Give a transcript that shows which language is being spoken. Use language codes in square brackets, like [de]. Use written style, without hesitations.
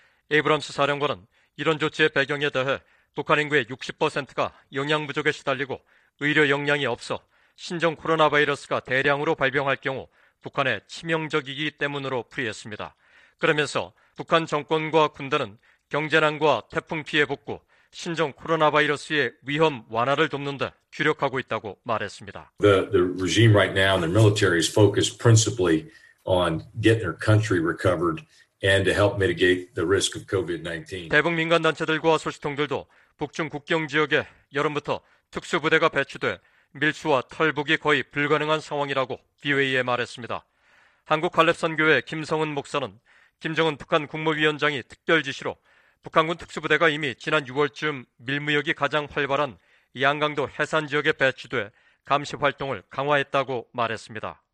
[ko] 에이브람스 사령관은 이런 조치의 배경에 대해 북한 인구의 60%가 영양 부족에 시달리고 의료 역량이 없어 신종 코로나 바이러스가 대량으로 발병할 경우 북한의 치명적이기 때문으로 풀이했습니다. 그러면서 북한 정권과 군대는 경제난과 태풍 피해 복구, 신종 코로나 바이러스의 위험 완화를 돕는 데 주력하고 있다고 말했습니다. [en] The regime right now, the military is focused principally on getting their country recovered. And to help mitigate the risk of COVID-19. [ko] 대북 민간 단체들과 소식통들도 북중 국경 지역에 여름부터 특수부대가 배치돼 밀수와 털북이 거의 불가능한 상황이라고 BOA에 말했습니다. 한국 한랩선교회 김성은 목사는 김정은 북한 국무위원장이 특별 지시로 북한군 특수부대가 이미 지난 6월쯤 밀무역이 가장 활발한 양강도 해산 지역에 배치돼 감시 활동을 강화했다고 말했습니다.